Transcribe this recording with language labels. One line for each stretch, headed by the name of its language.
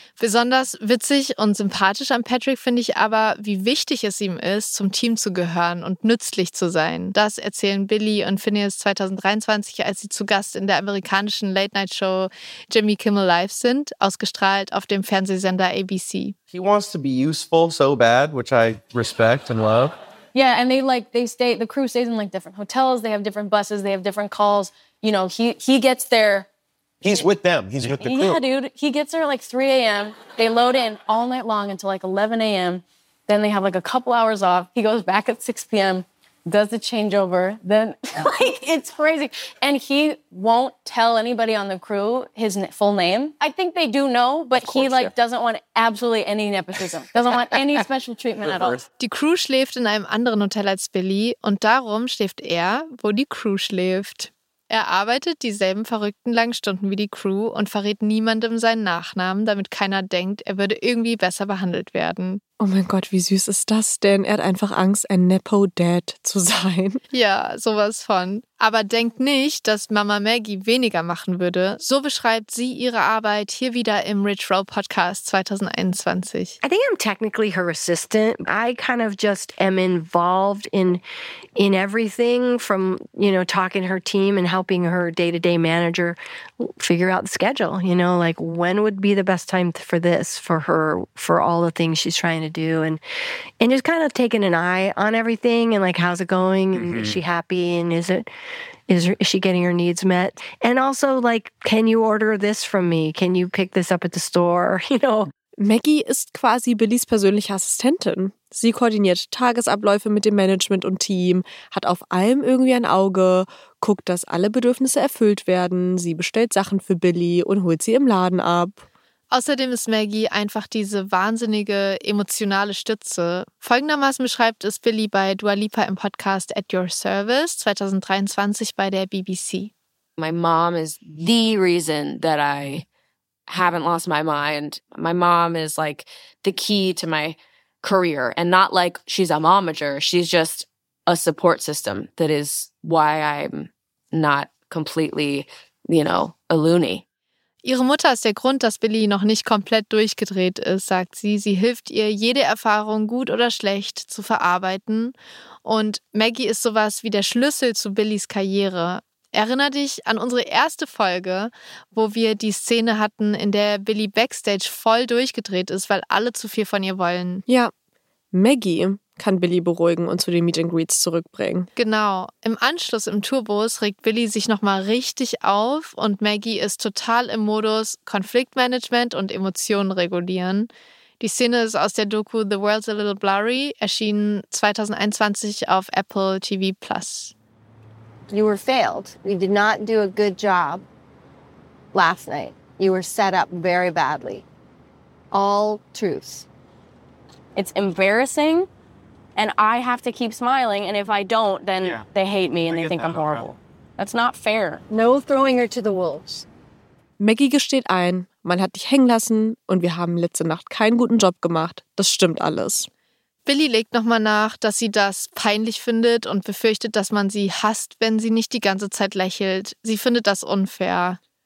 German: Besonders witzig und sympathisch an Patrick finde ich aber, wie wichtig es ihm ist, zum Team zu gehören und nützlich zu sein. Das erzählen Billy und Phineas 2023, als sie zu Gast in der amerikanischen Late-Night-Show Jimmy Kimmel live sind, ausgestrahlt auf dem Fernsehsender ABC.
English: He wants to be useful so bad, which I respect and love. Yeah, and the crew stays in like different hotels, they have different buses, they have different calls. You know, he gets there. He's with them, he's with the crew. Yeah, dude, he gets there at like 3 a.m. They load in all night long until like 11 a.m. Then they have like a couple hours off. He goes back at 6 p.m., does the changeover, then like it's crazy. And he won't tell anybody on the crew his full name. I think they do know, but course, he like yeah. doesn't want absolutely any nepotism. Doesn't want any special treatment at all.
German: Die Crew schläft in einem anderen Hotel als Billy und darum schläft er, wo die Crew schläft. Er arbeitet dieselben verrückten Langstunden wie die Crew und verrät niemandem seinen Nachnamen, damit keiner denkt, er würde irgendwie besser behandelt werden. Oh mein Gott, wie süß ist das denn? Er hat einfach Angst, ein Nepo-Dad zu sein. Ja, sowas von. Aber denkt nicht, dass Mama Maggie weniger machen würde. So beschreibt sie ihre Arbeit hier wieder im Rich Roll Podcast 2021.
English: I think I'm technically her assistant. I kind of just am involved in everything from, you know, talking to her team and helping her day-to-day manager figure out the schedule. You know, like when would be the best time for this for her, for all the things she's trying to do and just kind of taking an eye on everything and like how's it going and mm-hmm. is she happy and is she getting her needs met and also like can you order this from me, can you pick this up at the store, you know.
German: Maggie ist quasi Billys persönliche Assistentin. Sie koordiniert Tagesabläufe mit dem Management und Team, hat auf allem irgendwie ein Auge, guckt, dass alle Bedürfnisse erfüllt werden, sie bestellt Sachen für Billy und holt sie im Laden ab. Außerdem ist Maggie einfach diese wahnsinnige emotionale Stütze. Folgendermaßen beschreibt es Billy bei Dua Lipa im Podcast At Your Service 2023 bei der BBC.
English: My mom is the reason that I haven't lost my mind. My mom is like the key to my career. And not like she's a momager. She's just a support system that is why I'm not completely, you know, a loony.
German: Ihre Mutter ist der Grund, dass Billy noch nicht komplett durchgedreht ist, sagt sie. Sie hilft ihr, jede Erfahrung, gut oder schlecht, zu verarbeiten. Und Maggie ist sowas wie der Schlüssel zu Billys Karriere. Erinner dich an unsere erste Folge, wo wir die Szene hatten, in der Billy backstage voll durchgedreht ist, weil alle zu viel von ihr wollen. Ja, Maggie kann Billy beruhigen und zu den Meet and Greets zurückbringen. Genau. Im Anschluss im Tourbus regt Billy sich nochmal richtig auf und Maggie ist total im Modus Konfliktmanagement und Emotionen regulieren. Die Szene ist aus der Doku The World's a Little Blurry, erschienen 2021 auf Apple TV Plus.
English: You were failed. You did not do a good job last night. You were set up very badly. All truths. It's embarrassing. And I have to keep smiling, and if I don't, then they hate me and they think I'm horrible. That's not fair. No throwing her to the wolves.
German: Maggie gesteht ein, man hat dich hängen lassen und wir haben letzte Nacht keinen guten Job gemacht. Das stimmt alles. Billy legt nochmal nach, dass sie das peinlich findet und befürchtet, dass man sie hasst, wenn sie nicht die ganze Zeit lächelt. Sie findet das unfair.